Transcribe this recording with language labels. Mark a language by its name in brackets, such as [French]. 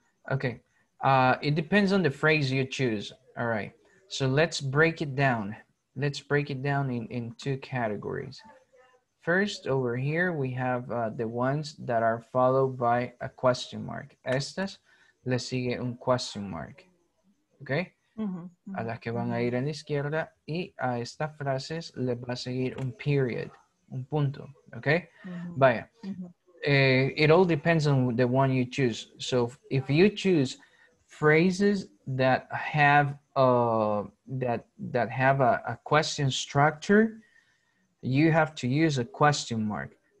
[English] Okay, it depends on the phrase you choose. All right, so let's break it down. Let's break it down in two categories. First, over here, we have the ones that are followed by a question mark. [Spanish] Estas le sigue un question mark. Okay? Mm-hmm. A las que van a ir en la izquierda y a estas frases le va a seguir un period, un punto. Okay? Mm-hmm. Vaya. Mm-hmm. [English] It all depends on the one you choose. So if you choose phrases that have a question structure, you have to use a question mark.